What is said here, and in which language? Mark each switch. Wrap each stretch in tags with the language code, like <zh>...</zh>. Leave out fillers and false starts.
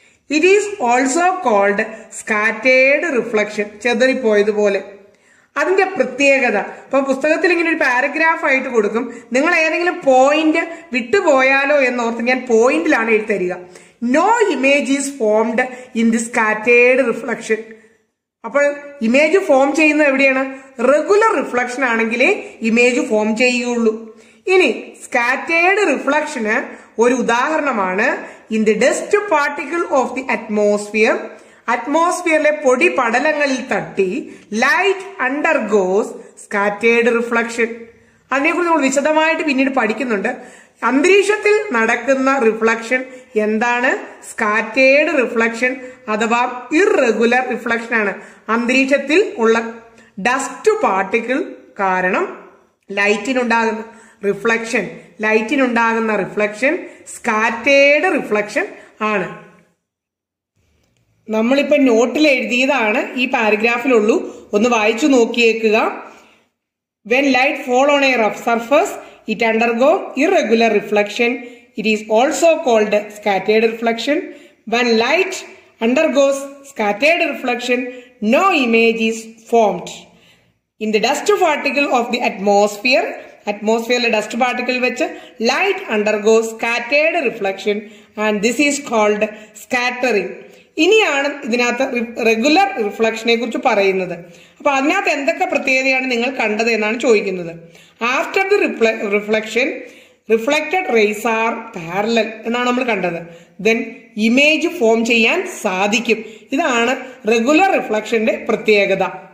<en>It is also called scattered reflection.</en> <ml>ചെതറിപ്പോയത് പോലെ. അതിന്റെ പ്രത്യേകത, ഇപ്പൊ പുസ്തകത്തിൽ ഇങ്ങനെ ഒരു പാരഗ്രാഫ് ആയിട്ട് കൊടുക്കും, നിങ്ങൾ ഏതെങ്കിലും പോയിന്റ് വിട്ടുപോയാലോ എന്നോർത്ത് ഞാൻ പോയിന്റിലാണ് എഴുതരിക.</ml> <en>No image is formed in the scattered reflection.</en> <ml>അപ്പോൾ ഇമേജ് ഫോം ചെയ്യുന്നത് എവിടെയാണ്? റെഗുലർ റിഫ്ലക്ഷൻ ആണെങ്കിലേ ഇമേജ് ഫോം ചെയ്യുകയുള്ളൂ. ഇനി സ്കാറ്റേർഡ് റിഫ്ലക്ഷന് ഒരു ഉദാഹരണമാണ്</ml> <en>In the dust particle of the atmosphere.</en> <ml>അറ്റ്മോസ്ഫിയറിലെ പൊടി പടലങ്ങളിൽ തട്ടി ലൈറ്റ് അണ്ടർഗോസ് സ്കാറ്റേർഡ് റിഫ്ലക്ഷൻ. അതിനെക്കുറിച്ച് നമ്മൾ വിശദമായിട്ട് പിന്നീട് പഠിക്കുന്നുണ്ട്. അന്തരീക്ഷത്തിൽ നടക്കുന്ന റിഫ്ലക്ഷൻ എന്താണ്? സ്കാറ്റേർഡ് റിഫ്ലക്ഷൻ അഥവാ ഇറഗുലർ റിഫ്ലക്ഷൻ ആണ്. അന്തരീക്ഷത്തിൽ ഉള്ള ഡസ്റ്റ് പാർട്ടിക്കിൾ കാരണം ലൈറ്റിനുണ്ടാകുന്ന റിഫ്ലക്ഷൻ, ലൈറ്റിനുണ്ടാകുന്ന റിഫ്ലക്ഷൻ സ്കാറ്റേർഡ് റിഫ്ലക്ഷൻ ആണ്. നമ്മളിപ്പോ നോട്ടിൽ എഴുതിയതാണ് ഈ പാരഗ്രാഫിലുള്ളൂ, ഒന്ന് വായിച്ചു നോക്കിയേക്കുക.</ml> <en>When light fall on a rough surface it undergo irregular reflection. It is also called scattered reflection. When light undergoes scattered reflection, no image is formed. In the dust particle of the atmosphere, atmosphere dust particle which light undergoes scattered reflection and this is called scattering.</en> <ml>ഇനിയാണ് ഇതിനകത്ത് regular റിഫ്ലക്ഷനെ കുറിച്ച് പറയുന്നത്. അപ്പൊ അതിനകത്ത് എന്തൊക്കെ പ്രത്യേകതയാണ് നിങ്ങൾ കണ്ടത് എന്നാണ് ചോദിക്കുന്നത്.</ml> <en>after the reflection reflected rays are parallel</en> <ml>എന്നാണ് നമ്മൾ കണ്ടത്. ദെൻ ഇമേജ് ഫോം ചെയ്യാൻ സാധിക്കും. ഇതാണ് റെഗുലർ റിഫ്ലക്ഷന്റെ പ്രത്യേകത.</ml>